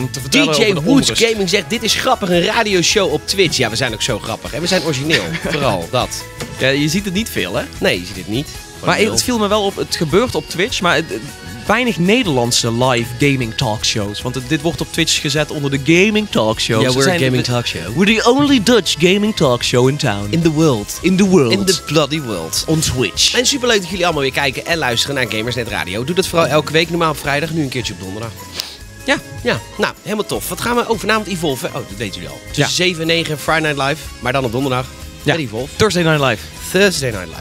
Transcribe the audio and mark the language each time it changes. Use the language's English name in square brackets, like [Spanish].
[Dutch] DJ Woods Gaming zegt, dit is grappig, een radioshow op Twitch. Ja, we zijn ook zo grappig. En we zijn origineel, vooral dat. Ja, je ziet het niet veel, hè? Nee, je ziet het niet. Maar het viel me wel op, het gebeurt op Twitch, maar weinig Nederlandse live gaming talkshows. Want dit wordt op Twitch gezet onder de gaming talkshows. [English] Ja, we're a gaming talkshow. We're the only Dutch gaming talkshow in town. In the world. In the world. In the bloody world. On Twitch. [Dutch] En superleuk dat jullie allemaal weer kijken en luisteren naar Gamersnet Radio. Doe dat vooral elke week, normaal op vrijdag, nu een keertje op donderdag. Ja. Ja. Nou, helemaal tof. Wat gaan we vanavond Evolve? Oh, dat weten jullie al. Tussen 7 en 9, Friday Night Live. Maar dan op donderdag. Ja, Evolve. Thursday Night Live. Thursday Night Live.